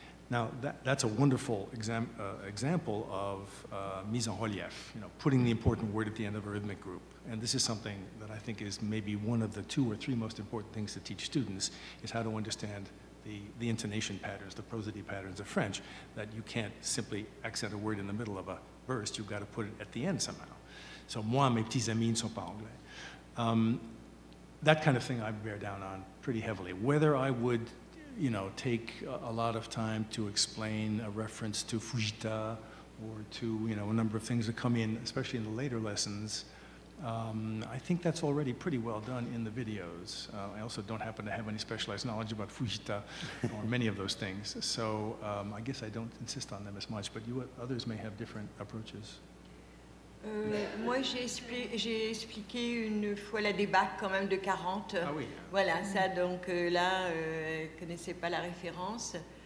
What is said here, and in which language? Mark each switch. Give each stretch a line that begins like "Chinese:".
English: Now, that's a wonderful example of mise en relief, you know, putting the important word at the end of a rhythmic group. And this is something that I think is maybe one of the two or three most important things to teach students, is how to understand the intonation patterns, the prosody patterns of French, that you can't simply accent a word in the middle of a verse, you've got to put it at the end somehow.
French: So, moi, mes petits amis ne sont pas anglais.
English: That kind of thing I bear down on pretty heavily. Whether I would, you know, take a lot of time to explain a reference to Fujita or to, you know, a number of things that come in, especially in the later lessons, I think that's already pretty well done in the videos. I also don't happen to have any specialized knowledge about Fujita or many of those things. So I guess I don't insist on them as much, but others may have different approaches.
French: Moi, j'ai expliqué une fois la débâcle quand même de 40. Ah oui. Voilà, ça donc là, elle connaissait pas la référence.